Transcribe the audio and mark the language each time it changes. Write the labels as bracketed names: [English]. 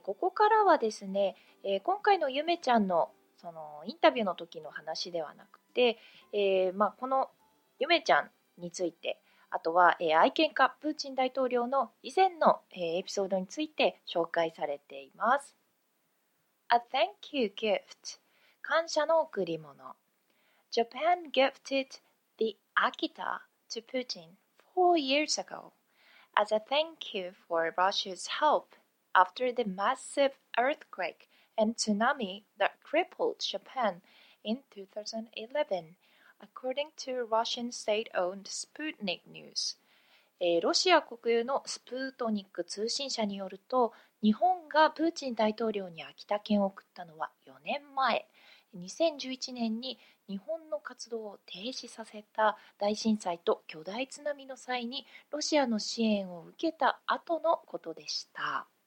[Japanese] ここからはですね、今回のゆめちゃんの、そのインタビューの時の話ではなくて、まあ、このゆめちゃんについて、あとは、愛犬家プーチン大統領の以前の、エピソードについて紹介されています。 [English] A thank you gift. [Japanese] 感謝の贈り物。 [English] Japan gifted the Akita to Putin 4 years ago as a thank you for Russia's help after the massive earthquake and tsunami that crippled Japan in 2011, according to Russian state-owned Sputnik News. [Japanese] ロシア国有のスプートニック通信社によると、日本がプーチン大統領に秋田犬を送ったのは4年前、2011年に日本の活動を停止させた大震災と巨大津波の際にロシアの支援を受けた後のことでした。